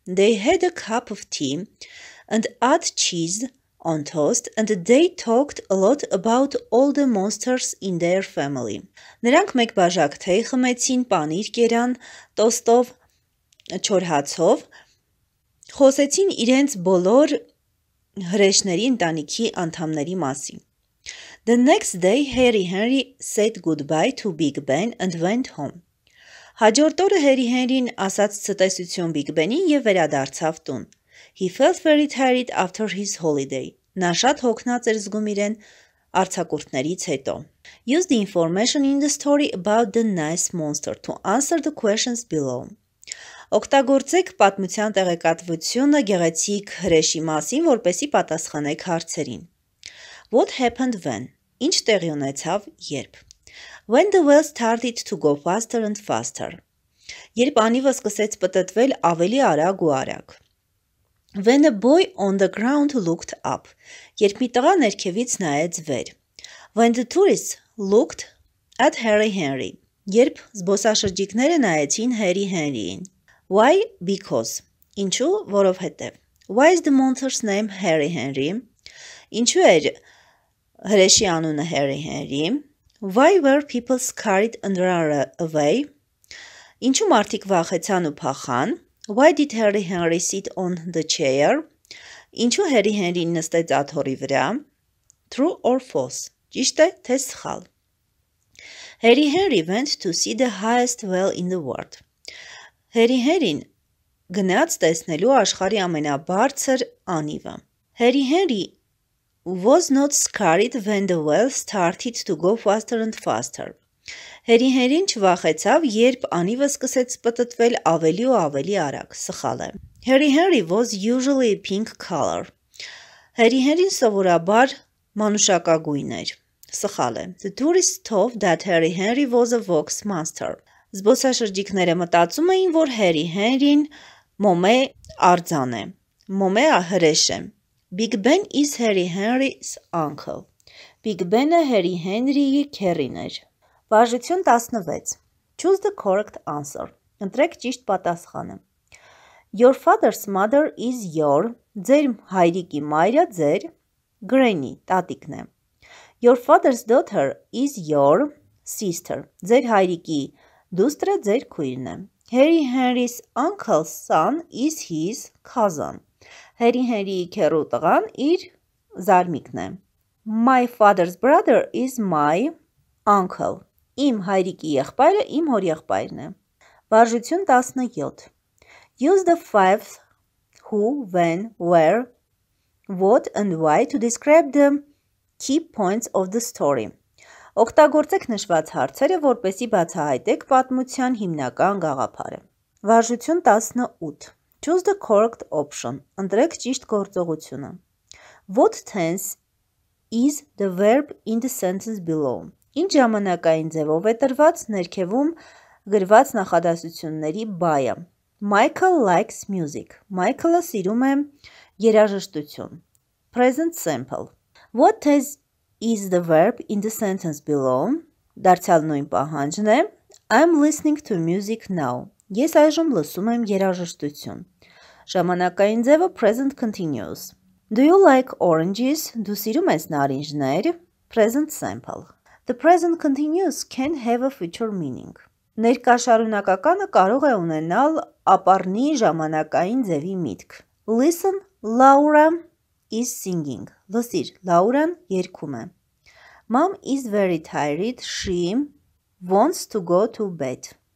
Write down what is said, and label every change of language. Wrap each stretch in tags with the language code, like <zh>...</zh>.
<en>They had a cup of tea and add cheese on toast and they talked a lot about all the monsters in their family.</en> <hy>Նրանք մեկ բաժակ թեյ խմեցին, պանիր կերան, տոստով, չոր հացով, խոսեցին իրենց բոլոր հրեշների ընտանիքի անդամների մասին.</hy> <en>The next day, Harry Henry said goodbye to Big Ben and went home.</en> <hy>Հաջորդ օրը Harry Henry-ն ասաց ցտեսություն Big Ben-ին և վերադարձավ տուն.</hy> <en>He felt very tired after his holiday.</en> <hy>Նա շատ հոգնած էր զգում իրեն արձակուրդներից հետո.</hy> <en>Use the information in the story about the nice monster to answer the questions below.</en> <hy>Օգտագործեք պատմության տեղեկատվությունը գեղեցիկ հրեշի մասին, որպեսի պատասխանեք հարցերին.</hy> <en>What happened when?</en> <hy>Ինչ տեղի ունեցավ երբ?</hy> <en>When the whale started to go faster and faster.</en> <hy>Երբ անիվը սկսեց պտտվել ավելի արագ ու արագ.</hy> <en>When a boy on the ground looked up.</en> <hy>Երբ մի տղա ներքևից նայեց վեր.</hy> <en>When the tourists looked at Harry Henry.</en> <hy>Երբ զբոսաշրջիկները նայեցին Harry Henry-ին.</hy> <en>Why? Because.</en> <hy>Ինչու, որովհետև.</hy> <en>Why is the monster's name Harry Henry?</en> <hy>Ինչու էր հրեշի անունը Harry Henry?</hy> <en>Why were people scared and ran away?</en> <hy>Ինչու մարդիկ վախեցան ու փախան?</hy> <en>Why did Harry Henry sit on the chair?</en> <hy>Ինչու Harry Henry-ն նստեց աթոռի վրա?</hy> <en>True or false?</en> <hy>Ճիշտ է, թե սխալ?</hy> <en>Harry Henry went to see the highest whale in the world.</en> <hy>Harry Henry-ն գնաց տեսնելու աշխարհի ամենաբարձր անիվը.</hy> <en>Harry Henry was not scared when the whale started to go faster and faster.</en> <hy>Harry Henry-ն չվախեցավ, երբ անիվը սկսեց պտտվել ավելի ու ավելի արագ, սխալ է.</hy> <en>Harry Henry was usually a pink color.</en> <hy>Harry Henry-ն սովորաբար մանուշակագույն էր, սխալ է.</hy> <en>The tourists thought that Harry Henry was a wax monster.</en> <hy>Զբոսաշրջիկները մտածում էին, որ Harry Henry-ն մոմե արձան է, մոմե հրեշ է.</hy> <en>Big Ben is Harry Henry's uncle.</en> <hy>Big Ben-ը Harry Henry-ի քեռին էր. Վարժություն 16.</hy> <en>Choose the correct answer.</en> <hy>Ընտրեք ճիշտ պատասխանը.</hy> <en>Your father's mother is your,</en> <hy>ձեր հայրիկի մայրը ձեր, granny, տատիկն է.</hy> <en>Your father's daughter is your sister,</en> <hy>ձեր հայրիկի դուստրը ձեր քույրն է.</hy> <en>Harry Henry's uncle's son is his cousin.</en> <hy>Harry Henry-ի քեռու տղան իր զարմիկն է.</hy> <en>My father's brother is my uncle.</en> <hy>Իմ հայրիկի եղբայրը իմ հոր եղբայրն է։ Վարժություն 17.</hy> <en>Use the five who, when, where, what and why to describe the key points of the story.</en> <hy>Օգտագործեք նշված հարցերը, որպեսզի բացահայտեք պատմության հիմնական գաղափարը։ Վարժություն 18.</hy> <en>Choose the correct option.</en> <hy>Ընտրեք ճիշտ գործողությունը։</hy> <en>What tense is the verb in the sentence below?</en> <hy>Ինչ ժամանակային ձևով է տրված ներքևում գրված նախադասությունների բայը։</hy> <en>Michael likes music.</en> <hy>Michael-ը սիրում է երաժշտություն։</hy> <en>Present simple. What tense is the verb in the sentence below?</en> <hy>Դարձյալ նույն պահանջն է.</hy> <en>I'm listening to music now.</en> <hy>Ես այժմ լսում եմ երաժշտություն։ Ժամանակային ձևը present continuous.</hy> <en>Do you like oranges?</en> <hy>Դու սիրում ես նարինջներ?</hy> <en>Present simple. The present continuous can have a future meaning.</en> <hy>Ներկա շարունակականը կարող է ունենալ ապառնի ժամանակային ձևի միտք.</hy> <en>Listen, Laura is singing.</en> <hy>Լսիր, Լաուրան երգում է.</hy> <en>Mom is very tired. She wants to go to bed.</en>